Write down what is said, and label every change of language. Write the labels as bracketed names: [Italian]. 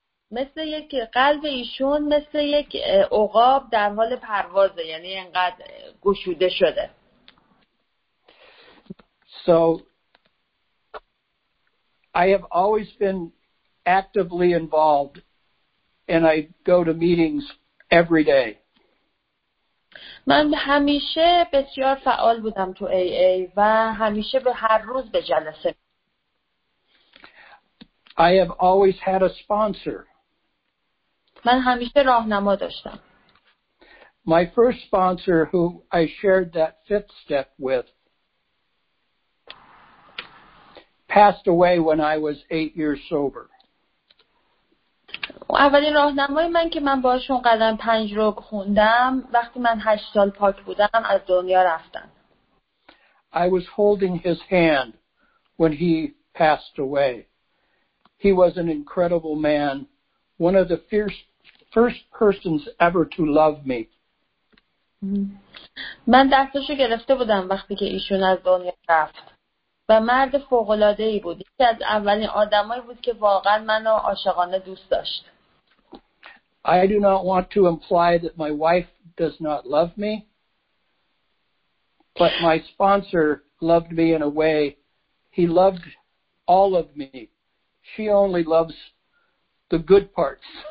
[Persian] مثل یک قلب ایشون مثل یک عقاب در حال پروازه یعنی انقدر گشوده شده. [English] So I have always been actively involved and I go to meetings every day. [Persian] من همیشه بسیار فعال بودم تو AA و همیشه به هر روز به جلسه. [English] I have always had a sponsor. [Persian] من همیشه راهنما داشتم. [English] My first sponsor who I shared that fifth step with passed away when I was 8 years sober. [Persian] اولین راهنمای من که من باشون قدم پنج رو خوندم وقتی من 8 سال پاک بودم از دنیا رفتن. [English] I was holding his hand when he passed away. He was an incredible man, one of the fierce first persons ever to love me. [Persian] من دستشو گرفته بودم وقتی که ایشون از دنیا رفت. و مرد فوق‌العاده‌ای بود. یکی از اولین آدمایی بود که واقعا منو عاشقانه دوست داشت. [English] I do not want to imply that my wife does not love me. But my sponsor loved me in a way. He loved all of me. She only loves the good parts.